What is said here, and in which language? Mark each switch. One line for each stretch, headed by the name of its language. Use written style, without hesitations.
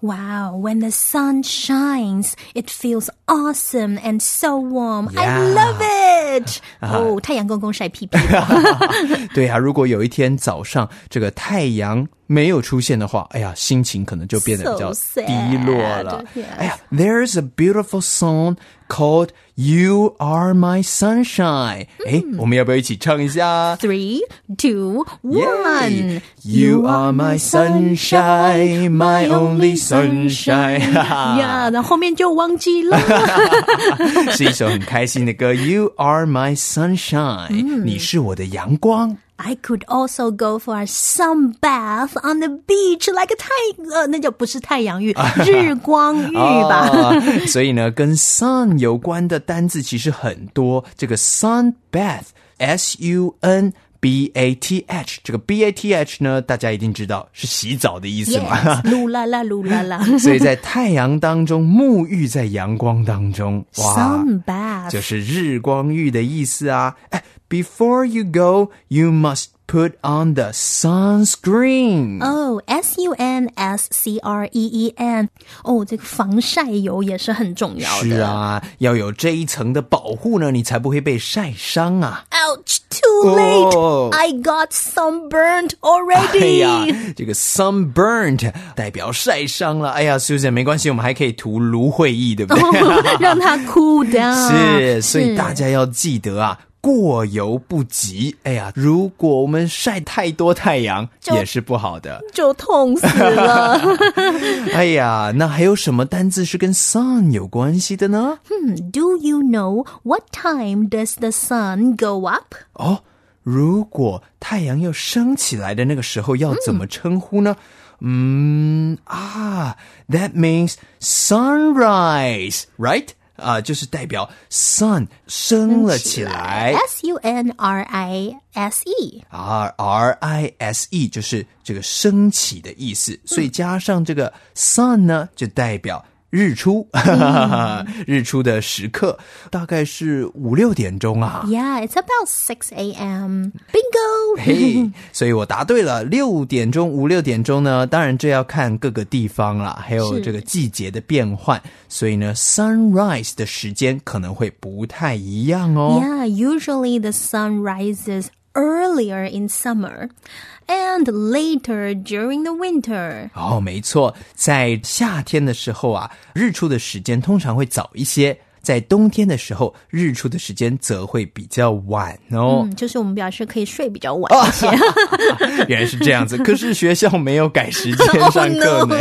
English: Wow, when the sun shines, it feels awesome and so warm. Yeah, I love it.
Chinese: 太阳公公晒屁屁。对啊，如果有一天早上这个太阳没有出现的话，哎呀，心情可能就变得比较低落了。哎呀
English: ，There's a beautiful song called "You Are My Sunshine"。
Chinese: 哎，我们要不要一起唱一下
English: ？3, 2, 1 You are my sunshine, my only sunshine.
Chinese: 呀，那后面就忘记了。是一首很开心的歌。
English: You are my sunshine，
Chinese: 你是我的阳光。
English: I could also go for a sun bath on the beach, like
Chinese: 那就不是太阳浴，日光浴吧。所以呢，跟 sun 有关的单字其实很多。这个 sun bath, S-U-N B-A-T-H, 这个 B-A-T-H 呢，大家一定知道是洗澡的意思嘛。噜啦啦，噜啦啦。所以在太阳当中，沐浴在阳光当中。
English: sun bath
Chinese: 就是日光浴的意思啊。
English: Before you go, you must put on the sunscreen. Oh, S-U-N-S-C-R-E-E-N.
Chinese: Oh, 这个防晒油也是很重要的。是啊，要有这一层的保护呢，你才不会被晒伤啊。
English: Ouch, too late.、Oh. I got sunburned already.
Chinese: 哎呀，这个 sunburned 代表晒伤了。哎呀 ,Susan, 没关系，我们还可以涂芦荟液，对不对？ Oh, 让它
English: cool down.
Chinese: 是，所以大家要记得啊。过犹不及，哎呀，如果我们晒太多太阳，也是不好的，就痛死了。哎呀，那还有什么单字是跟 sun 有关系的呢？
English: Do you know what time does the sun go up?
Chinese: 哦，如果太阳要升起来的那个时候要怎么称呼呢？
English: that means sunrise, right?
Chinese: 就是代表 sun 升了起来。 S-U-N-R-I-S-E。 R-I-S-E 就是这个升起的意思。所以加上这个 sun 呢就代表日出日出的时刻大概是5-6点钟啊。
English: Yeah, it's about 6 a.m. Bingo!
Chinese: 嘿、hey, 所以我答对了5-6点钟呢当然这要看各个地方啦还有这个季节的变换。所以呢 ,sunrise 的时间可能会不太一样哦。
English: Yeah, usually the sun rises earlier in summer. And later during the winter.
Chinese: 哦，没错，在夏天的时候啊，日出的时间通常会早一些。在冬天的时候，日出的时间则会比较晚哦。就是我们表示可以睡比较晚一些。原来是这样子，可是学校没有改时间上课呢。